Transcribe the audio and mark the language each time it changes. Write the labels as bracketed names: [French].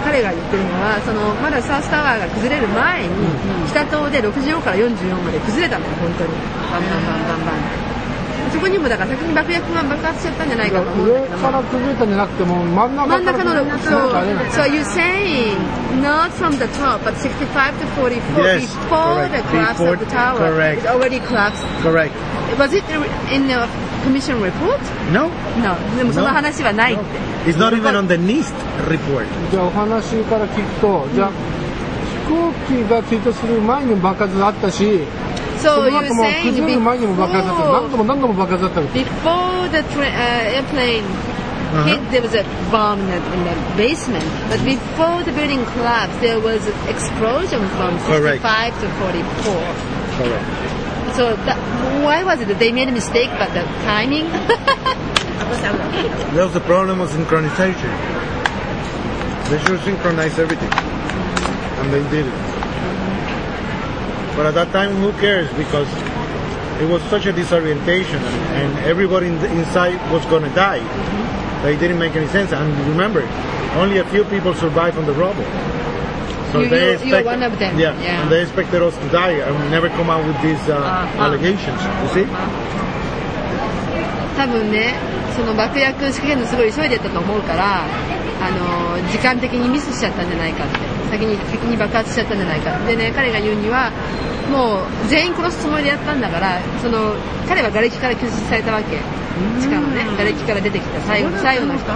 [Japanese] 彼が言ってるのは、その、まだサウスタワーが崩れる前に、北棟で65から44まで崩れたのよ、本当に。バンバンバンバンバン。そこにもだから先に爆薬が爆発しちゃったんじゃないかと思うんだけど、上から崩れたんじゃなくても真ん中から崩れたんじゃないか。 [English] So you're saying not from the top but 65 to 44 yes, before correct. The collapse before, of the tower correct. It already collapsed correct. Was it in the commission report? No. [Japanese] No. でもその話はない、 [English] no. It's not even on the NIST report. [Japanese] じゃあお話から聞くと、じゃあ飛行機が墜落する前に爆発があったし、 [English] Before the airplane hit, there was a bomb in the basement. But before the building collapsed, there was an explosion from 65 to 44. Correct. So that, why was it that they made a mistake about the timing? That was the problem of synchronization. They should synchronize everything. And they did it. But at that time, who cares? Because it was such a disorientation, and everybody inside was going to die. Mm-hmm. They didn't make any sense. And remember, only a few people survived from the rubble. So you were one of them. Yeah, yeah. And they expected us to die and never come out with these allegations. You see? [Japanese] 多分ね、その爆薬仕掛けのすごい急いでたと思うから、あの、時間的にミスしちゃったんじゃないかって。先に爆発しちゃったんじゃないかでね、彼が言うにはもう全員殺すつもりでやったんだから、その彼は瓦礫から救出されたわけ、地下のね、瓦礫から出てきた最後の人、